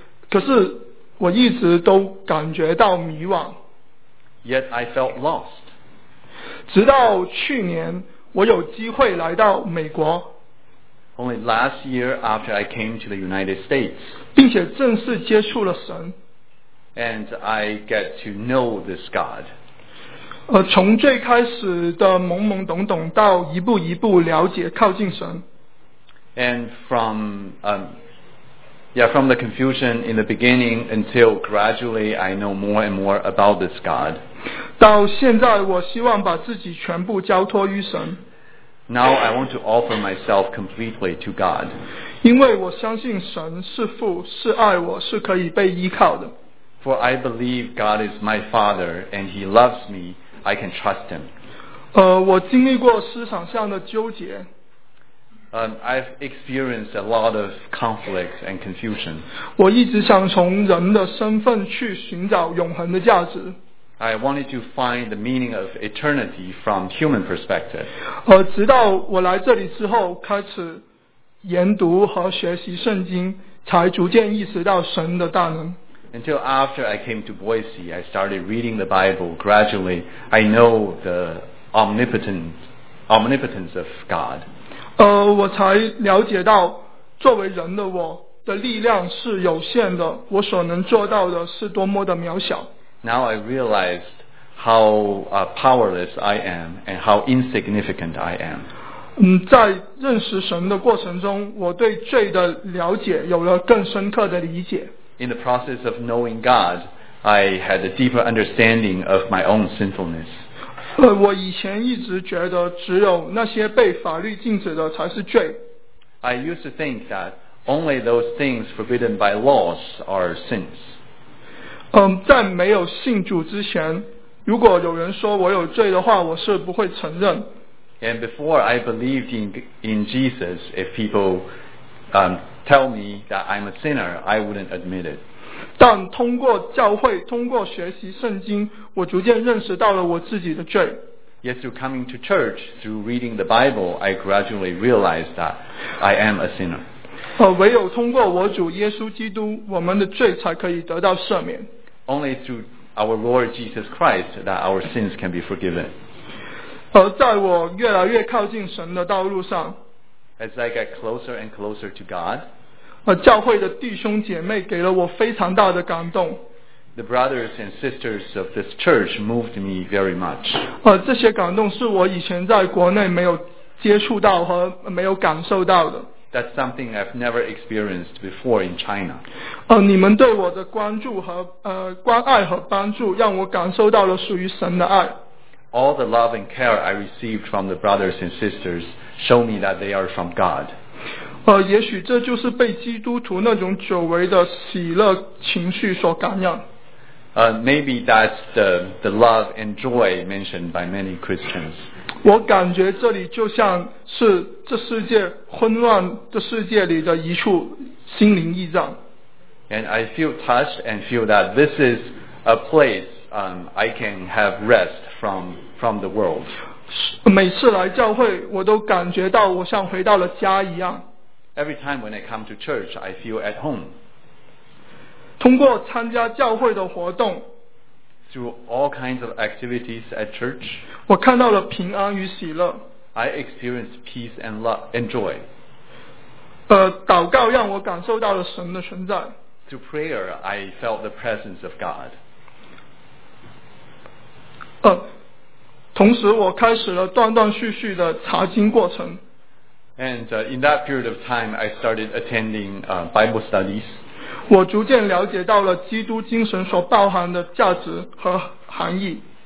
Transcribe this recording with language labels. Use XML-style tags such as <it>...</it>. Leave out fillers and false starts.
<zh>可是我一直都感觉到迷惘。</zh> <en>Yet I felt lost.</en> <zh>直到去年我有机会来到美国。</zh> <en>Only last year after I came to the United States.</en> <zh>并且正式接触了神。</zh> <en>And I get to know this God.</en> <zh>从最开始的懵懵懂懂到一步一步了解靠近神。</zh> <en>And from the confusion in the beginning until gradually I know more and more about this God.</en> <zh>到现在我希望把自己全部交托于神。</zh> <en>Now I want to offer myself completely to God.</en> <zh>因为我相信神是父，是爱我，是可以被依靠的。</zh> <en>For I believe God is my father and he loves me, I can trust him.</en> <zh>我经历过思想上的纠结。</zh> <en>I've experienced a lot of conflict and confusion.</en> <zh>我一直想从人的身份去寻找永恒的价值。</zh> <en>I wanted to find the meaning of eternity from human perspective.</en> <zh>直到我来这里之后，开始研读和学习圣经，才逐渐意识到神的大能。</zh> <en>Until after I came to Boise, I started reading the Bible gradually. I know the omnipotence of God.</en> <zh>我才了解到，作为人的我的力量是有限的，我所能做到的是多么的渺小。</zh> <en>Now I realized how powerless I am and how insignificant I am.</en> <zh>在认识神的过程中，我对罪的了解有了更深刻的理解。</zh> <en>In the process of knowing God, I had a deeper understanding of my own sinfulness.</en> <zh>我以前一直觉得只有那些被法律禁止的才是罪。</zh> <en>I used to think that only those things forbidden by laws are sins.</en> <zh>在没有信主之前，如果有人说我有罪的话，我是不会承认。</zh> <en>And before I believed in Jesus, if people tell me that I'm a sinner, I wouldn't admit it.</en> <zh>但通过教会，通过学习圣经，我逐渐认识到了我自己的罪。</zh> <en>Yet through coming to church, through reading the Bible, I gradually realized that I am a sinner.</en> <zh>唯有通过我主耶稣基督，我们的罪才可以得到赦免。</zh> <en>Only through our Lord Jesus Christ that our sins can be forgiven.</en> <zh>在我越来越靠近神的道路上</zh> <en>，As I get closer and closer to God,</en> <zh>教会的弟兄姐妹给了我非常大的感动。</zh> <en>The brothers and sisters of this church moved me very much.</en> <zh>这些感动是我以前在国内没有接触到和没有感受到的。</zh> <en>That's something I've never experienced before in China.</en> <zh>你们对我的关注和关爱和帮助，让我感受到了属于神的爱。</zh> <en>All the love and care I received from the brothers and sisters show me that they are from God.</en> <zh>也许这就是被基督徒那种久违的喜乐情绪所感染。</zh> <en>Maybe that's the love and joy mentioned by many Christians.</en> <zh>我感觉这里就像是这世界混乱的世界里的一处心灵驿站。</zh> <en>And I feel touched and feel that this is a place I can have rest from the world.</en> <zh>每次来教会，我都感觉到我像回到了家一样。</zh> <en>Every time when I come to church, I feel at home.</en> <zh>通过参加教会的活动。</zh> <en>through all kinds of activities at church.</en> <zh>我看到了平安与喜乐。</zh> <en>I experienced peace and love and joy.</en> <zh>祷告让我感受到了神的存在。</zh> <en>Through prayer, I felt the presence of God.</en> <zh>同时我开始了断断续续的查经过程。</zh> <en>And in that period of time, I started attending Bible studies.</en> <zh>我逐渐了解到了基督精神所包含的价值和含义。</zh>